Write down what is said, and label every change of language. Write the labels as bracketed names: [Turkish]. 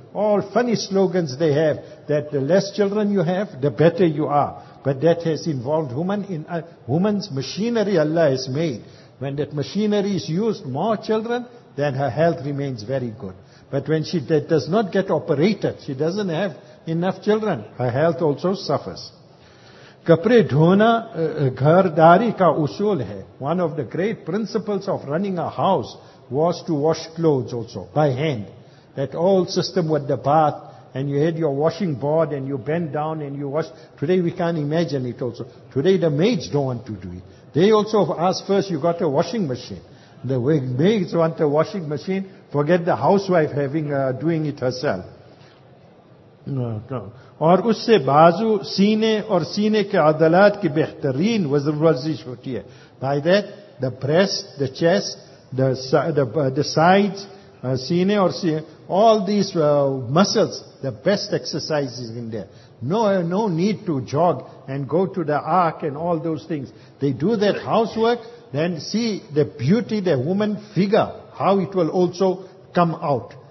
[English] All funny slogans they have, that the less children you have, the better you are. But that has involved woman in woman's machinery Allah has made. When that machinery is used, more children, then her health remains very good. But when she does not get operated, she doesn't have enough children, her health also suffers. [Urdu] کپڑے دھونا گھرداری کا اصول ہے. [English] One of the great principles of running a house was to wash clothes also by hand. That old system with the bath, and you had your washing board and you bend down and you wash. Today we can't imagine it also. Today the maids don't want to do it. They also ask first, you got a washing machine. The maids want a washing machine, forget the housewife having doing it herself. [Urdu] اور اس سے بازو سینے اور سینے کے عضلات کی بہترین ورزش ہوتی ہے. [English] By that, the breast, the chest, the sides, [Urdu] سینے اور سینے, [English] all these muscles, the best exercises in there. No need to jog and go to the ark and all those things. They do that housework, then see the beauty, the woman figure, how it will also come out.